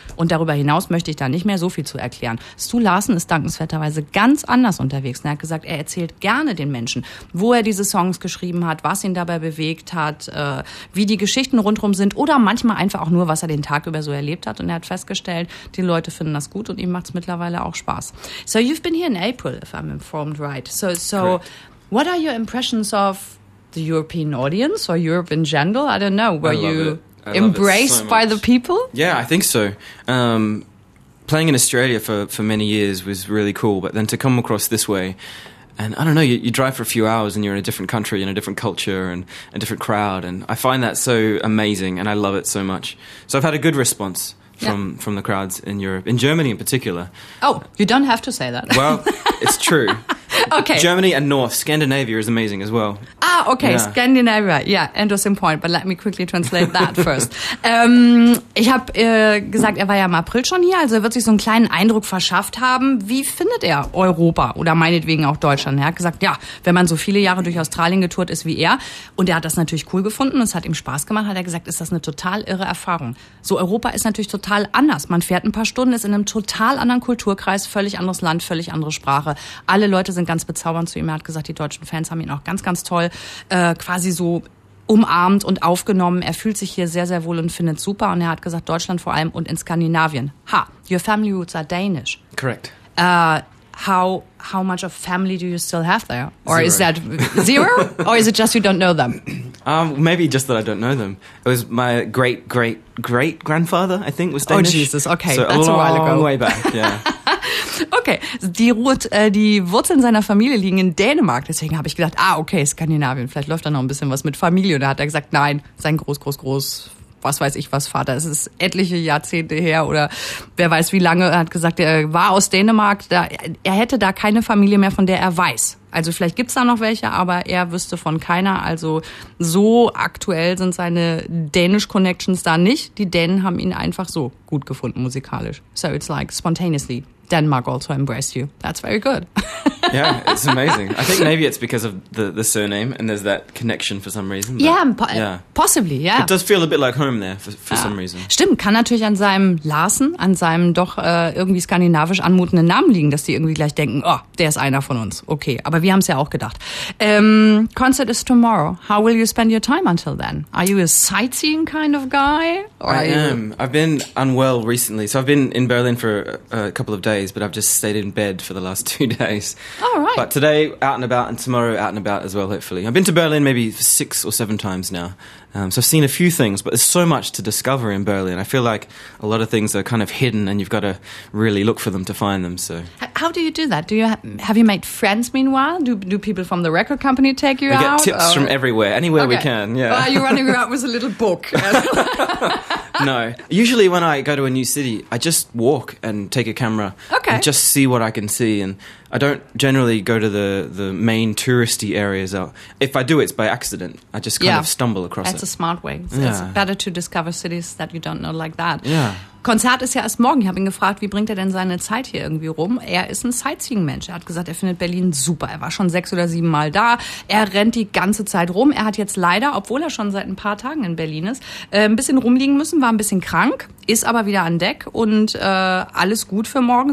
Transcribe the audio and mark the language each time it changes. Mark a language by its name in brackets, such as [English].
[German] Und darüber hinaus möchte ich da nicht mehr so viel zu erklären. Stu Larsen ist dankenswerterweise ganz anders unterwegs. Und er hat gesagt, er erzählt gerne den Menschen, wo er diese Songs geschrieben hat, was ihn dabei bewegt hat, wie die Geschichten rundherum sind oder manchmal einfach auch nur, was er den Tag über so erlebt hat. Und er hat festgestellt, die Leute finden das gut und ihm macht es mittlerweile auch Spaß. [English] So you've been here in April, if I'm informed right. So correct. What are your impressions of the European audience or Europe in general? I don't know. Were you embraced by the people? Yeah, I think so. Playing in Australia for many years was really cool, but then to come across this way, and I don't know, you drive for a few hours and you're in a different country and a different culture and a different crowd, and I find that so amazing, and I love it so much. So I've had a good response from the crowds in Europe, in Germany in particular. Oh, you don't have to say that. Well, it's true. Okay. Germany and North, Scandinavia is amazing as well. Ah, okay, yeah. Scandinavia. Yeah, interesting point, but let me quickly translate that first. [German] Ich habe gesagt, er war ja im April schon hier, also er wird sich so einen kleinen Eindruck verschafft haben. Wie findet er Europa oder meinetwegen auch Deutschland? Er hat gesagt, ja, wenn man so viele Jahre durch Australien getourt ist wie er, und er hat das natürlich cool gefunden und es hat ihm Spaß gemacht, hat er gesagt, ist das eine total irre Erfahrung. So, Europa ist natürlich total anders. Man fährt ein paar Stunden, ist in einem total anderen Kulturkreis, völlig anderes Land, völlig andere Sprache. Alle Leute sind ganz bezaubernd zu ihm. Er hat gesagt, die deutschen Fans haben ihn auch ganz, ganz toll quasi so umarmt und aufgenommen. Er fühlt sich hier sehr, sehr wohl und findet es super. Und er hat gesagt, Deutschland vor allem und in Skandinavien. Ha, your family roots are Danish. Correct. How much of family do you still have there? Or zero. Is that zero? Or is it just you don't know them? Maybe just that I don't know them. It was my great-great-great-grandfather, I think, was Danish. Oh, Jesus, okay. So that's a while ago. Way back, yeah. Okay, die Wurzeln seiner Familie liegen in Dänemark. Deswegen habe ich gedacht, ah, okay, Skandinavien. Vielleicht läuft da noch ein bisschen was mit Familie. Und da hat er gesagt, nein, sein Groß-Groß-Groß, was weiß ich was, Vater. Es ist etliche Jahrzehnte her oder wer weiß wie lange. Er hat gesagt, er war aus Dänemark. Er hätte da keine Familie mehr, von der er weiß. Also vielleicht gibt's da noch welche, aber er wüsste von keiner. Also so aktuell sind seine Dänisch-Connections da nicht. Die Dänen haben ihn einfach so gut gefunden musikalisch. [English] So it's like spontaneously. Denmark also embraced you. That's very good. Yeah, it's amazing. I think maybe it's because of the surname and there's that connection for some reason. Yeah, possibly, yeah. It does feel a bit like home there for some reason. [German] Stimmt, kann natürlich an seinem Larsen, an seinem doch irgendwie skandinavisch anmutenden Namen liegen, dass die irgendwie gleich denken, oh, der ist einer von uns. Okay, aber wir haben es ja auch gedacht. [English] Concert is tomorrow. How will you spend your time until then? Are you a sightseeing kind of guy? I've been unwell recently. So I've been in Berlin for a couple of days. But I've just stayed in bed for the last 2 days. All right. But today, out and about, and tomorrow, out and about as well, hopefully. I've been to Berlin maybe 6 or 7 times now. So I've seen a few things, but there's so much to discover in Berlin. I feel like a lot of things are kind of hidden and you've got to really look for them to find them. So how do you do that? Have you made friends meanwhile? Do people from the record company take you out? We get tips from everywhere, anywhere we can. Yeah. Are you running around with a little book? No. Usually when I go to a new city, I just walk and take a camera and just see what I can see. And I don't generally go to the main touristy areas. If I do, it's by accident. I just kind of stumble across. That's a smart way. It's better to discover cities that you don't know like that. Yeah. [German] Konzert ist ja erst morgen. Ich habe ihn gefragt, wie bringt er denn seine Zeit hier irgendwie rum? Er ist ein Sightseeing-Mensch. Er hat gesagt, er findet Berlin super. Er war schon 6 oder 7 Mal da. Er rennt die ganze Zeit rum. Er hat jetzt leider, obwohl er schon seit ein paar Tagen in Berlin ist, ein bisschen rumliegen müssen, war ein bisschen krank, ist aber wieder an Deck und alles gut für morgen.